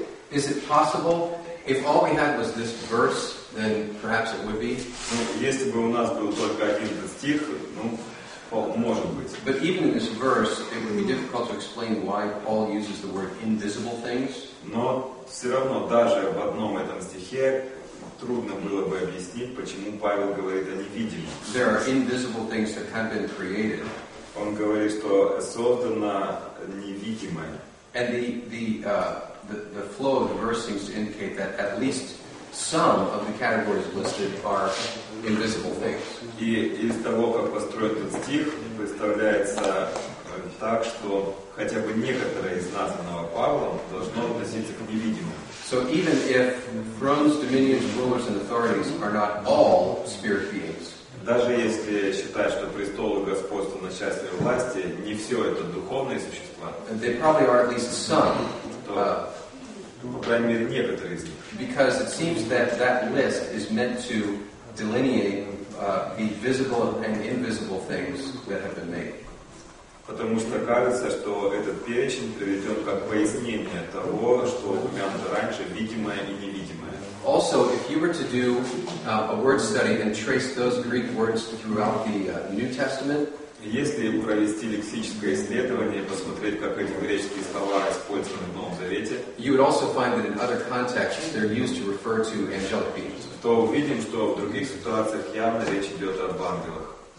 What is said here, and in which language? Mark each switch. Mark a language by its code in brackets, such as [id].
[en] Is it possible if all we had was this verse, then perhaps it would be? [ru] Если бы у нас был только один стих, ну, может быть. [en] But even in this verse, it would be difficult to explain why Paul uses the word invisible things. [ru] Но все равно даже в одном этом стихе трудно было бы объяснить, почему Павел говорит о невидимых. [en] There are invisible things that have been created. [ru] Он говорит, что создано невидимое. [en] And the flow of the verse seems to indicate that at least some of the categories listed are invisible things. [ru] И из того, как построен этот стих, представляется так, что хотя бы некоторое из названного Павлом должно относиться к невидимым. [en] So even if thrones, dominions, rulers, and authorities are not all spirit beings, [ru] даже если считать, что престолы, господство, начальство и власти не все это духовные существа, [en] they probably are at least some, [ru] по крайней мере некоторые из них. [en] Because it seems that that list is meant to delineate the visible and invisible things that have been made. [ru] Потому что кажется, что этот перечень приведет как пояснение того, что упомянуто раньше, видимое и невидимое. [en] Also, if you were to do a word study and trace those Greek words throughout the New Testament, [ru] если провести лексическое исследование и посмотреть, как эти греческие слова использованы в Новом Завете, [en] you would also find that in other contexts they're used to refer to angelic beings. [ru] То увидим, что в других ситуациях явно речь идет об ангелах.